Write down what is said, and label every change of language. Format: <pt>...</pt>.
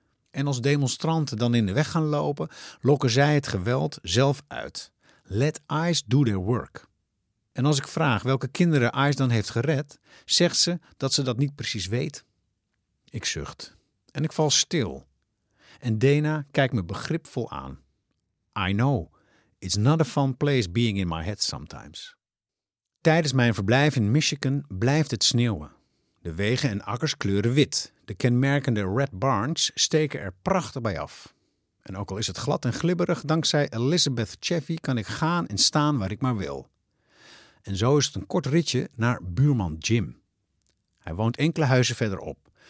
<nl>En als demonstranten dan in de weg gaan lopen, lokken zij het geweld zelf uit.</nl> <en>Let ICE do their work.</en> <nl>En als ik vraag welke kinderen ICE dan heeft gered, zegt ze dat ze dat niet precies weet. Ik zucht en ik val stil. En Dana kijkt me begripvol aan.</nl> <en>I know, it's not a fun place being in my head sometimes.</en> <nl>Tijdens mijn verblijf in Michigan blijft het sneeuwen. De wegen en akkers kleuren wit. De kenmerkende red barns steken er prachtig bij af. En ook al is het glad en glibberig, dankzij Elizabeth Chevy kan ik gaan en staan waar ik maar wil. En zo is het een kort ritje naar buurman Jim. Hij woont enkele huizen verderop.</nl>